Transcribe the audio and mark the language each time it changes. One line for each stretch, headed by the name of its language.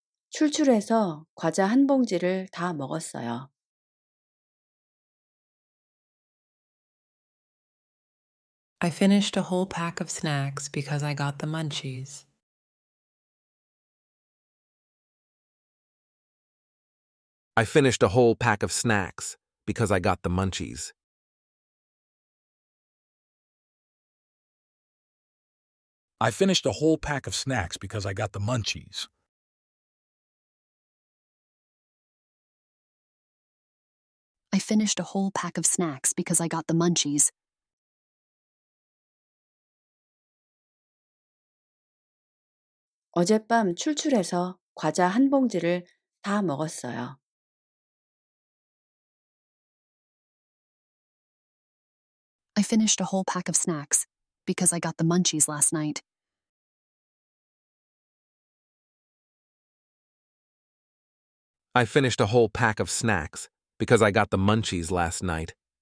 Korean: 출출해서 과자 한 봉지를 다 먹었어요.
English: I finished a whole pack of snacks because I got the munchies. I finished a whole pack of snacks because I got the munchies. I finished a whole pack of snacks because I got the munchies. I finished a whole pack of snacks because I got the munchies.
Korean: 어젯밤 출출해서 과자 한 봉지를 다 먹었어요.
English: I finished a whole pack of snacks because I got the munchies last night. I finished a whole pack of snacks because I got the munchies last night.